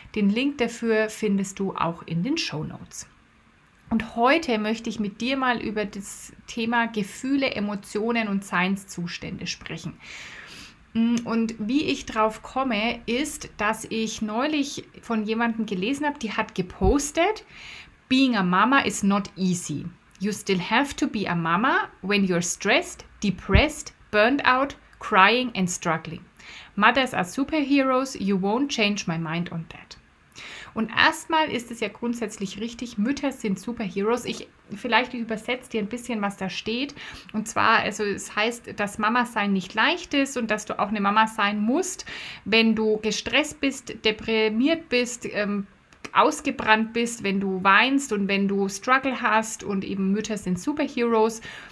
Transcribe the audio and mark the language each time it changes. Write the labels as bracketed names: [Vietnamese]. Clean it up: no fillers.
[German] Den Link dafür findest du auch in den Shownotes. Und heute möchte ich mit dir mal über das Thema Gefühle, Emotionen und Seinszustände sprechen. Und wie ich drauf komme, ist, dass ich neulich von jemandem gelesen habe, die hat gepostet, [English] being a mama is not easy. You still have to be a mama when you're stressed, depressed, burned out, crying and struggling. Mothers are superheroes, you won't change my mind on that. [German] Und erstmal ist es ja grundsätzlich richtig, Mütter sind Superheroes. Vielleicht übersetze dir ein bisschen, was da steht. Und zwar, also es heißt, dass Mama sein nicht leicht ist und dass du auch eine Mama sein musst, wenn du gestresst bist, deprimiert bist, ausgebrannt bist, wenn du weinst und wenn du Struggle hast, und eben Mütter sind Superheroes.